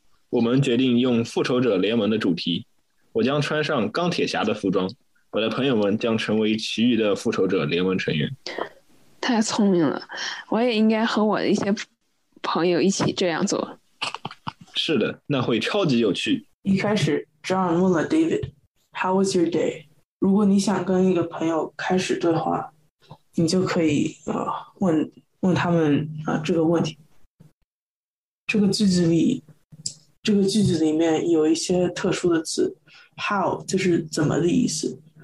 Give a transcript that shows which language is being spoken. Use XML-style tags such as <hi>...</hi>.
<zh>我们决定用复仇者联盟的主题，我将穿上钢铁侠的服装，我的朋友们将成为其余的复仇者联盟成员。太聪明了，我也应该和我的一些朋友一起这样做。是的，那会超级有趣。一开始 John 问了 David</zh> <en>How was your day?</en> <zh>如果你想跟一个朋友开始对话，你就可以、问他们、这个问题。这个句子里面有一些特殊的词， How 就是怎么的意思。</zh>